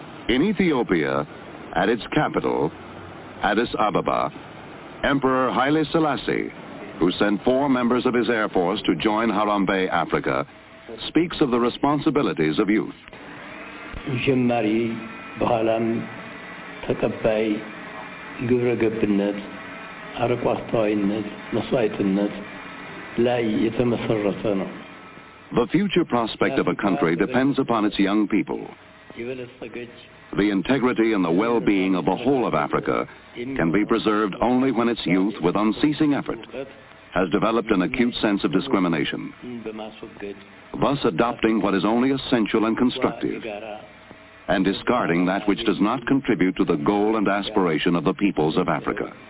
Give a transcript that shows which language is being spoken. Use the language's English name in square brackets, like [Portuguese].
[English] In Ethiopia, at its capital, Addis Ababa, Emperor Haile Selassie, who sent four members of his air force to join Harambe Africa, speaks of the responsibilities of youth. [Amharic] ጀማሪ በኋላም ተቀባይ ግብረገብነት አርቆ አስተዋይነት መስዋዕትነት ላይ የተመሰረተ ነው። [English] The future prospect of a country depends upon its young people. The integrity and the well-being of the whole of Africa can be preserved only when its youth, with unceasing effort, has developed an acute sense of discrimination, thus adopting what is only essential and constructive, and discarding that which does not contribute to the goal and aspiration of the peoples of Africa.